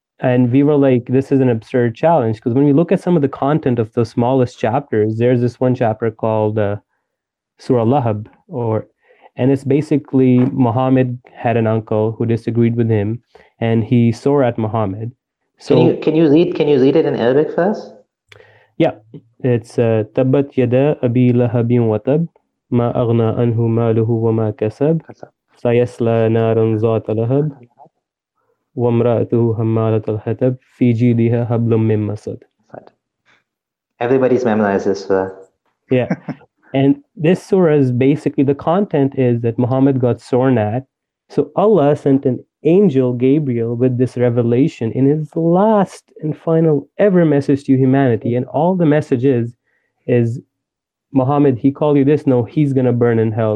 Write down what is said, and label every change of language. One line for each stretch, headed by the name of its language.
English: And we were like, this is an absurd challenge, because when we look at some of the content of the smallest chapters, there's this one chapter called Surah Lahab, and it's basically Muhammad had an uncle who disagreed with him and he swore at Muhammad. So can you read it in Arabic first? Yeah, it's
Arabic: Tabbat yada Abi Lahabin watab. ما أغنى عنه ماله وما كسب سيصلى نارا ذات لهب وامرأته حمالة الحطب في جيدها حبل من مسد.
English: Everybody's memorized this surah. Yeah. And this surah is basically, the content is that Muhammad got sworn at. So Allah sent an angel, Gabriel, with this revelation in his last and final ever message to humanity. And all the message is Muhammad, he called you this, no, he's going to burn in hell.